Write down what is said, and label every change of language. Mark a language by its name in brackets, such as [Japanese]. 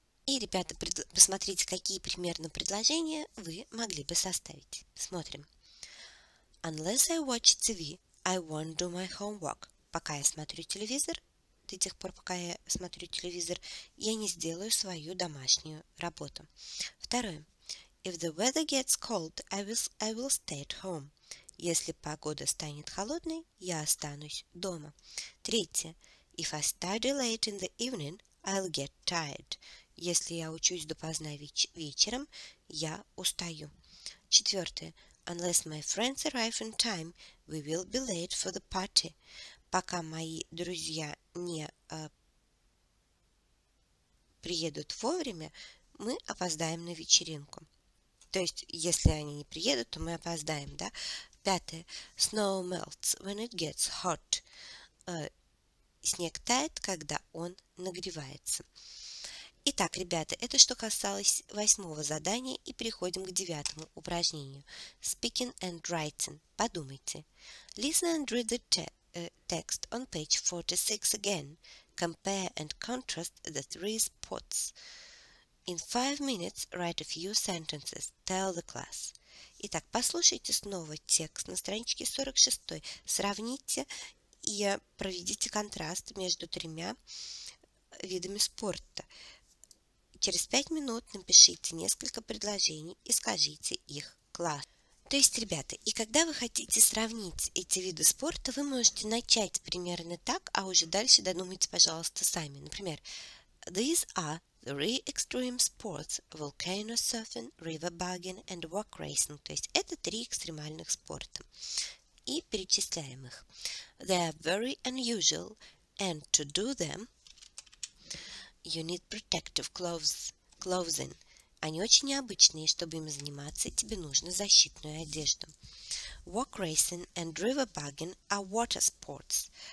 [Russian] И, ребята, посмотрите, какие примерно предложения вы могли бы составить. Смотрим. [English] Unless I watch TV, I won't do my homework. [Russian] Пока я смотрю телевизор, до тех пор, пока я смотрю телевизор, я не сделаю свою домашнюю работу. Второе. [English] If the weather gets cold, I will stay at home. [Russian] Если погода станет холодной, я останусь дома. Третье. [English] If I study late in the evening, I'll get tired. [Russian] Если я учусь допоздна вечером, я устаю. Четвертое. [English] Unless my friends arrive in time, we will be late for the party. [Russian] Пока мои друзья не приедут вовремя, мы опоздаем на вечеринку. То есть, если они не приедут, то мы опоздаем, да? Пятое. [English] Snow melts when it gets hot. [Russian] Снег тает, когда он нагревается. Итак, ребята, это что касалось восьмого задания, и переходим к девятому упражнению. [English] Speaking and writing. [Russian] Подумайте. [English] Listen and read the text on page 46 again. Compare and contrast the three spots. In 5 minutes, write a few sentences. Tell the class. [Russian] Итак, послушайте снова текст на страничке 46. Сравните и проведите контраст между тремя видами спорта. Через 5 минут напишите несколько предложений и скажите их классу. То есть, ребята, и когда вы хотите сравнить эти виды спорта, вы можете начать примерно так, а уже дальше додумайте, пожалуйста, сами. Например, [English] these are three extreme sports: volcano surfing, river bugging and rock racing. [Russian] То есть это три экстремальных спорта. И перечисляем их. [English] They are very unusual and to do them you need protective clothing. [Russian] Они очень необычные, чтобы им заниматься, тебе нужно защитную одежду. [English] Rock racing and river bugging are water sports.